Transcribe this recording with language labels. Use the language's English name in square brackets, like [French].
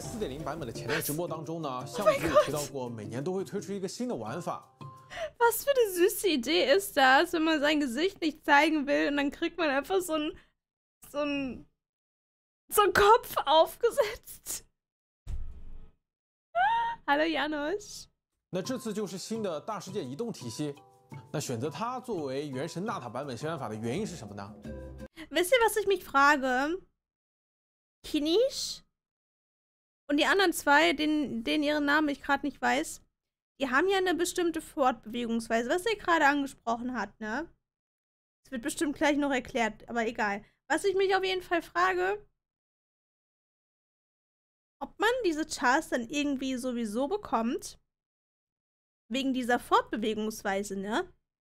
[Chinese] 4.0版本的前瞻直播当中呢，项目组提到过，每年都会推出一个新的玩法。 [German] Was für eine süße Idee ist das, wenn man sein Gesicht nicht zeigen will und dann kriegt man einfach so ein Kopf aufgesetzt. Hallo Janosch. [Chinese] 那这次就是新的大世界移动体系。那选择它作为原神纳塔版本宣传法的原因是什么呢？ [German] Wisst ihr, was ich mich frage? Kinish und die anderen zwei, denen ihren Namen ich gerade nicht weiß, die haben ja eine bestimmte Fortbewegungsweise, was ihr gerade angesprochen habt, ne? Das wird bestimmt gleich noch erklärt, aber egal. Was ich mich auf jeden Fall frage, ob man diese Chars dann irgendwie sowieso bekommt, wegen dieser Fortbewegungsweise, ne?